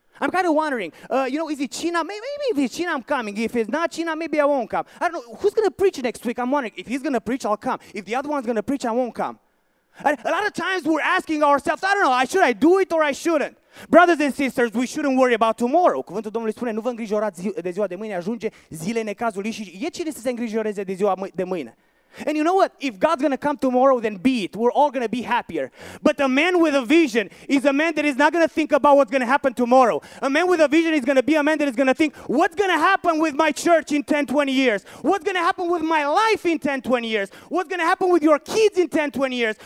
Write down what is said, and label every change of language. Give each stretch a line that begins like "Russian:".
English: I'm kind of wondering, you know, is it China? Maybe if it's China, I'm coming. If it's not China, maybe I won't come. I don't know, who's going to preach next week? I'm wondering, if he's going to preach, I'll come. If the other one's going to preach, I won't come. And a lot of times we're asking ourselves, I don't know, should I do it or I shouldn't? Brothers and sisters, we shouldn't worry about tomorrow.
Romanian: Cuvântul Domnului spune, nu vă îngrijorați de ziua de mâine, ajunge zile necazului și e cine să se îngrijoreze de ziua de mâine.
English: And you know what? If God's going to come tomorrow, then be it. We're all going to be happier. But a man with a vision is a man that is not going to think about what's going to happen tomorrow. A man with a vision is going to be a man that is going to think, what's going to happen with my church in 10, 20 years? What's going to happen with my life in 10, 20 years? What's going to happen with your kids in 10, 20 years?